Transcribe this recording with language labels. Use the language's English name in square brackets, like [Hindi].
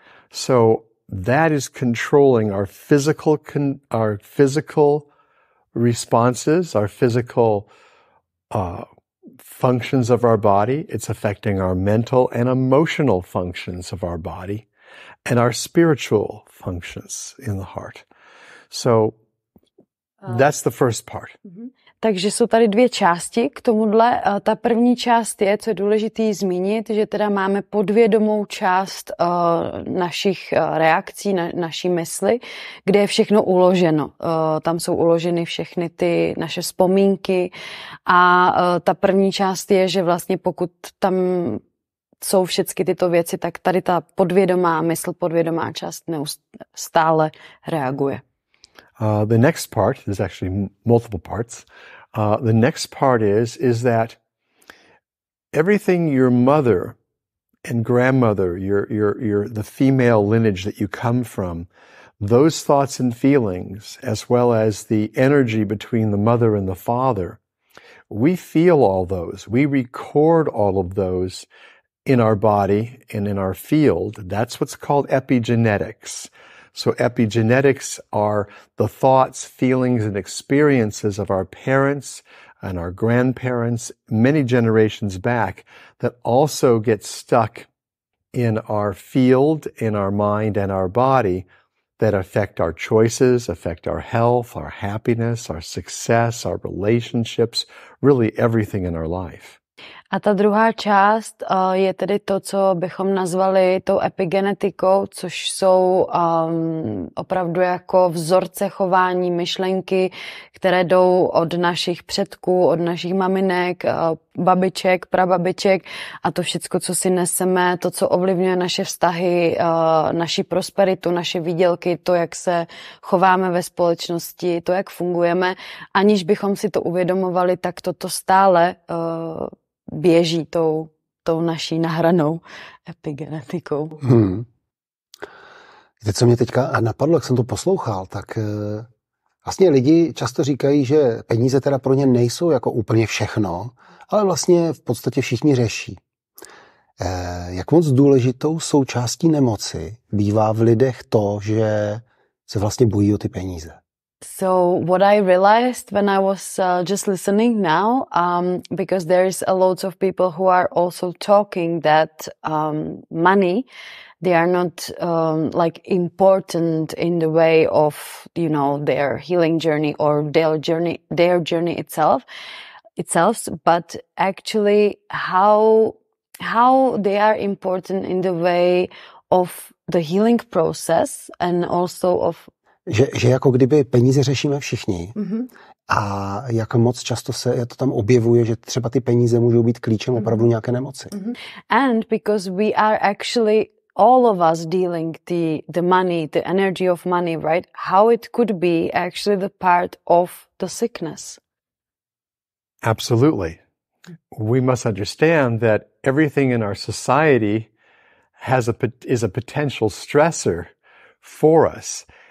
[English] So that is controlling our physical responses, our physical functions of our body. It's affecting our mental and emotional functions of our body and our spiritual functions in the heart. So that's the first part. [Czech] Takže jsou tady dvě části k tomuhle. Ta první část je, co je důležitý zmínit, že teda máme podvědomou část našich reakcí, naší mysli, kde je všechno uloženo. Tam jsou uloženy všechny ty naše vzpomínky. A ta první část je, že vlastně pokud tam jsou všechny tyto věci, tak tady ta podvědomá mysl, podvědomá část neustále reaguje. [English] The next part, there's actually multiple parts. The next part is that everything your mother and grandmother, your the female lineage that you come from, those thoughts and feelings, as well as the energy between the mother and the father, we feel all those. We record all of those in our body and in our field. That's what's called epigenetics. So epigenetics are the thoughts, feelings, and experiences of our parents and our grandparents many generations back that also get stuck in our field, in our mind, and our body that affect our choices, affect our health, our happiness, our success, our relationships, really everything in our life. [Czech] A ta druhá část je tedy to, co bychom nazvali tou epigenetikou, což jsou opravdu jako vzorce chování, myšlenky, které jdou od našich předků, od našich maminek, babiček, prababiček a to všecko, co si neseme, to, co ovlivňuje naše vztahy, naši prosperitu, naše výdělky, to, jak se chováme ve společnosti, to, jak fungujeme, aniž bychom si to uvědomovali, tak toto stále běží tou naší nahranou epigenetikou. Víte, co mě teďka napadlo, jak jsem to poslouchal, tak vlastně lidi často říkají, že peníze teda pro ně nejsou jako úplně všechno, ale vlastně v podstatě všichni řeší. Jak moc důležitou součástí nemoci bývá v lidech to, že se vlastně bojí o ty peníze? [English] So what I realized when I was just listening now, because there is a lot of people who are also talking that money, they are not like important in the way of, you know, their healing journey or their journey itself, but actually how they are important in the way of the healing process and also of [Czech] Že jako kdyby peníze řešíme všichni a jak moc často se to tam objevuje, že třeba ty peníze můžou být klíčem opravdu nějaké nemoci. [English] And because we are actually all of us dealing the money, the energy of money, right? How it could be actually the part of the sickness. Absolutely. We must understand that everything in our society is a potential stressor for us.